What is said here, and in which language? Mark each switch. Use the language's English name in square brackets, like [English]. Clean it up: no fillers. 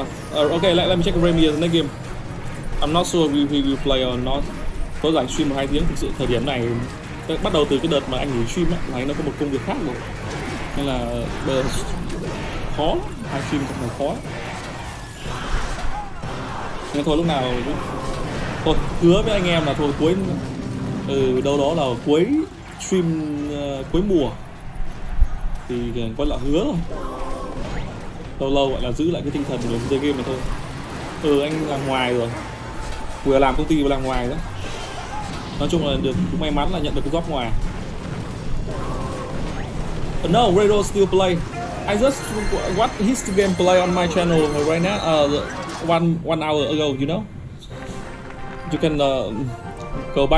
[English] Okay, let me check Remy in the next game. I'm not sure if we will play or not. [Vietnamese] Tôi rảnh stream 2 tiếng, thực sự thời điểm này bắt đầu từ cái đợt mà anh nghỉ stream ấy, là anh nó có một công việc khác rồi. Nên là khó, hai stream cũng là khó. Nên thôi lúc nào thôi hứa với anh em là thôi cuối đâu đó là cuối stream cuối mùa thì có là hứa thôi. Lâu lâu gọi là giữ lại cái tinh thần để chơi game mà thôi. Anh là ngoài rồi, vừa làm công ty vừa làm ngoài đó. Nói chung là được, cũng may mắn là nhận được cái job ngoài. [English] But no, Rado still play. I just watched his gameplay on my channel right now, one hour ago, you know. You can go back.